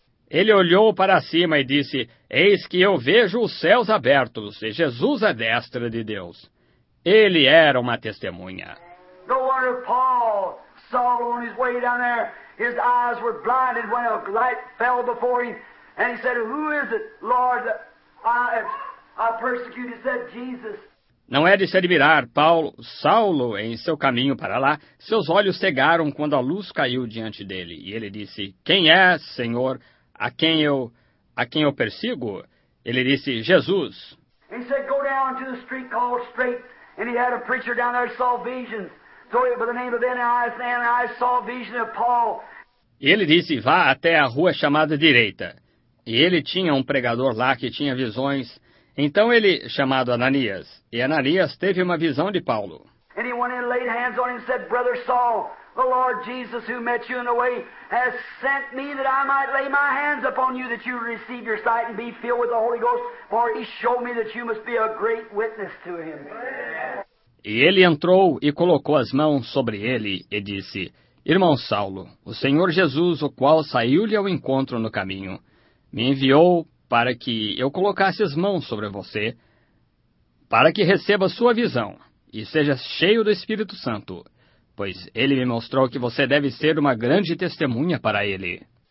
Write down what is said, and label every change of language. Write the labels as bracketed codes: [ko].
[pt] Ele olhou para cima e disse, eis que eu vejo os céus abertos e Jesus à destra de Deus. Ele era uma testemunha. [en] No wonder Paul saw on his way down there. His eyes were blinded when a light fell before him. And he said, who is it, Lord, that I persecuted? He said, Jesus. [pt] Não é de se admirar, Paulo. Saulo, em seu caminho para lá, seus olhos cegaram quando a luz caiu diante dele. E ele disse, quem é, Senhor, a quem eu persigo? Ele disse, Jesus. [en] He said, go down to the street called Straight. And he had a preacher down there saw visions. So by the name of Ananias, and I saw a vision of Paul. [pt] Ele disse, vá até a rua chamada Direita. E ele tinha um pregador lá que tinha visões. Então ele, chamado Ananias, e Ananias teve uma visão de Paulo. [en] And he went in and laid hands on him and said, Brother Saul, the Lord Jesus who met you in the way has sent me that I might lay my hands upon you that you receive your sight and be filled with the Holy Ghost, for he showed me that you must be a great witness to him. [pt] E ele entrou e colocou as mãos sobre ele e disse, Irmão Saulo, o Senhor Jesus, o qual saiu-lhe ao encontro no caminho, me enviou para que eu colocasse as mãos sobre você, para que receba sua visão e seja cheio do Espírito Santo, pois ele me mostrou que você deve ser uma grande testemunha para ele.